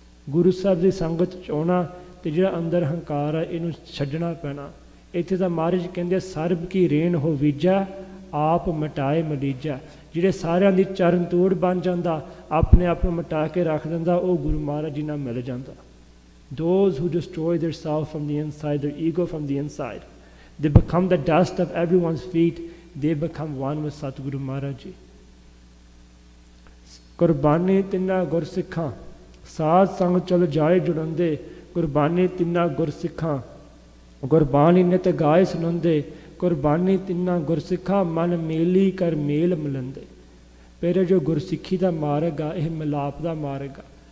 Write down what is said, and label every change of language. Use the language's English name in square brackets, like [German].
[Punjabi] ਗੁਰੂ ਸਾਹਿਬ ਦੀ ਸੰਗਤ 'ਚ ਆਉਣਾ ਅਤੇ ਜਿਹੜਾ ਅੰਦਰ ਹੰਕਾਰ ਆ ਇਹਨੂੰ ਛੱਡਣਾ ਪੈਣਾ। ਇੱਥੇ ਤਾਂ ਮਹਾਰਾਜ ਕਹਿੰਦੇ, ਸਰਬ ਕੀ ਰੇਨ ਹੋ ਬੀਜਾ ਆਪ ਮਿਟਾਏ ਮਲੀਜਾ। ਜਿਹੜੇ ਸਾਰਿਆਂ ਦੀ ਚਰਨ ਤੂੜ ਬਣ ਜਾਂਦਾ, ਆਪਣੇ ਆਪ ਨੂੰ ਮਿਟਾ ਕੇ ਰੱਖ ਦਿੰਦਾ, ਉਹ ਗੁਰੂ ਮਹਾਰਾਜ ਜੀ ਨਾਲ ਮਿਲ ਜਾਂਦਾ। [English] Those who destroy their self from the inside, their ego from the inside, they become the dust of everyone's feet, they become one with Satguru Maharaj Ji. [Punjabi] ਕੁਰਬਾਨੀ ਤਿੰਨਾਂ ਗੁਰਸਿੱਖਾਂ ਸਾਧ ਸੰਗ ਚਲ ਜਾਏ ਜੁੜਨਦੇ ਕੁਰਬਾਨੀ ਤਿੰਨਾਂ ਗੁਰਸਿੱਖਾਂ ਗੁਰਬਾਣੀ ਨਿਤ ਗਾਏ ਸੁਣਾਉਂਦੇ ਕੁਰਬਾਨੀ ਤਿੰਨਾਂ ਗੁਰਸਿੱਖਾਂ ਮਨ ਮੇਲੀ ਕਰ ਮੇਲ ਮਿਲਾਉਂਦੇ ਪਰ ਜੋ ਗੁਰਸਿੱਖੀ ਦਾ ਮਾਰਗ ਆ ਇਹ ਮਿਲਾਪ ਦਾ ਮਾਰਗ ਆ